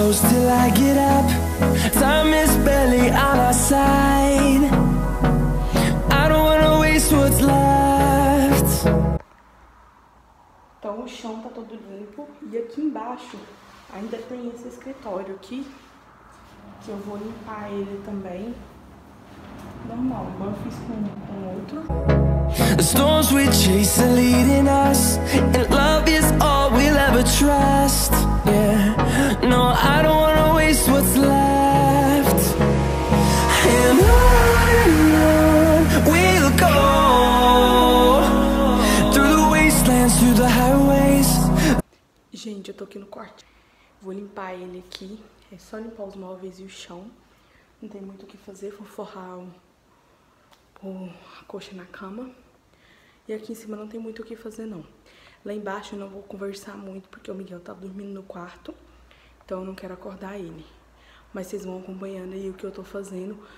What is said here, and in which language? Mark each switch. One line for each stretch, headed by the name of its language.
English: Till I get up, time is barely on our side. I don't wanna waste what's left.
Portuguese: Então o chão tá todo limpo e aqui embaixo ainda tem esse escritório aqui que eu vou limpar ele também. Normal, agora eu fiz com outro.
English: The storms we chase are leading us, and love is all we'll ever trust. Yeah, no, I don't wanna waste what's left. And on we'll go through the wastelands, through the highways.
Portuguese: Gente, eu tô aqui no quarto. Vou limpar ele aqui. É só limpar os móveis e o chão. Não tem muito o que fazer. Vou forrar a coxa na cama. E aqui em cima não tem muito o que fazer, não. Lá embaixo eu não vou conversar muito, porque o Miguel tá dormindo no quarto. Então eu não quero acordar ele. Mas vocês vão acompanhando aí o que eu tô fazendo.